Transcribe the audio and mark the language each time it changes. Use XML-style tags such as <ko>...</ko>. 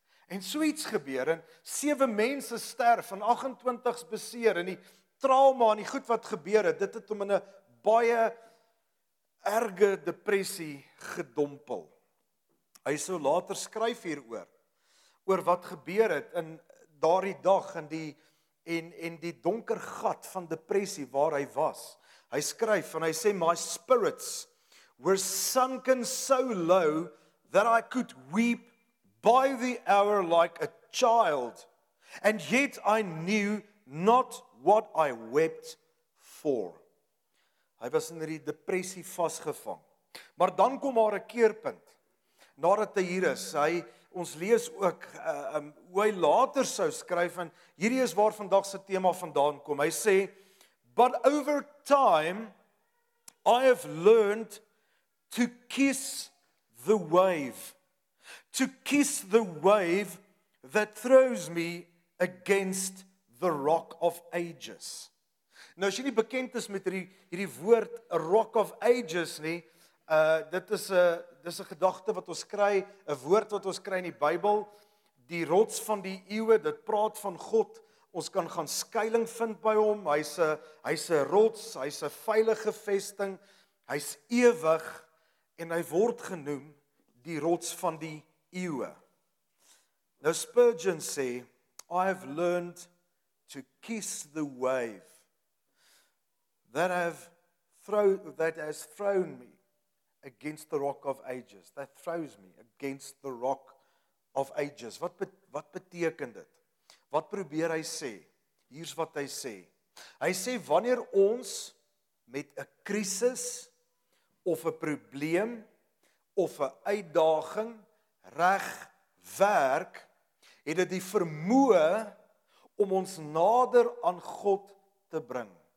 <af>En so iets gebeur en 7 mense sterf en 28 beseer en die trauma en die goed wat gebeur het, dit het hom in 'n baie erge depressie gedompel. Hy sou later skryf hieroor wat gebeur het in daardie dag in die en die donker gat van depressie waar hy was. Hy skryf en hy sê</af> <en>my spirits were sunken so low that I could weep by the hour like a child, and yet I knew not what I wept for.</en> <af>Hy was in die depressie vasgevang. Maar dan kom daar 'n keerpunt. Nadat hy hier is, ons lees ook hoe hy later sou skryf, en hierdie is waar vandag se tema vandaan kom. Hy sê,</af> <en>but over time, I have learned to kiss the wave. To kiss the wave that throws me against the rock of ages.</en> <af>Nou as jy nie bekend is met hierdie woord,</af> <en>a rock of ages</en> <af>nie, Dit is 'n gedagte wat ons kry, 'n woord wat ons kry in die Bybel, die rots van die eeue, dit praat van God. Ons kan gaan skuilings vind by hom. Hy's 'n rots, hy's 'n veilige vesting. Hy's ewig en hy word genoem die rots van die eeue. Nou Spurgeon sê,</af> <en>"I have learned to kiss the wave that has thrown me against the rock of ages." That throws me against the rock of ages.</en> <af>Wat beteken dit? Wat probeer hy sê? Hier's wat hy sê. Hy sê wanneer ons met 'n krisis of 'n probleem of 'n uitdaging reg werk, het dit die vermoë om ons nader aan God te bring.</af>